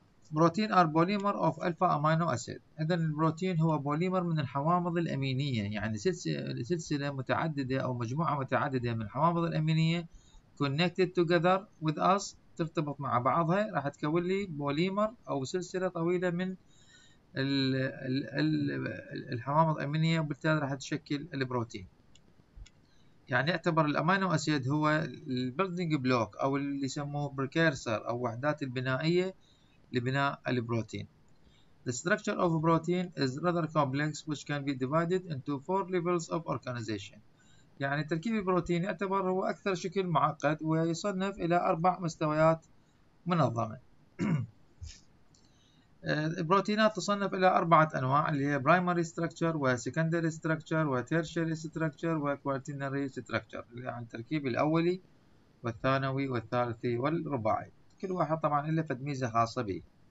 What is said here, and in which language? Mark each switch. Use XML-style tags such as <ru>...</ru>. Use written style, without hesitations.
<en>Protein are polymer of alpha amino acid.</en> <ar>اذا البروتين هو بوليمر من الحوامض الأمينية، يعني سلسلة متعددة أو مجموعة متعددة من الحوامض الأمينية</ar> <en>connected together with us،</en> <ar>ترتبط مع بعضها راح تكون لي بوليمر او سلسله طويله من الحوامض الامينيه، وبالتالي راح تشكل البروتين. يعني يعتبر الامينو اسيد هو البيلدينج بلوك او اللي يسموه بريكيرسر او وحدات البنائيه لبناء البروتين.</ar> <en>The structure of a protein is rather complex which can be divided into four levels of organization.</en> <ar>يعني تركيب البروتين يعتبر هو أكثر شكل معقد ويصنف إلى أربع مستويات منظمة. البروتينات تصنف إلى أربعة أنواع، اللي هي primary structure و secondary structure و tertiary structure و quaternary structure، اللي يعني التركيب الأولي والثانوي والثالثي والرباعي، كل واحد طبعا له فد ميزة خاصة به.</ar>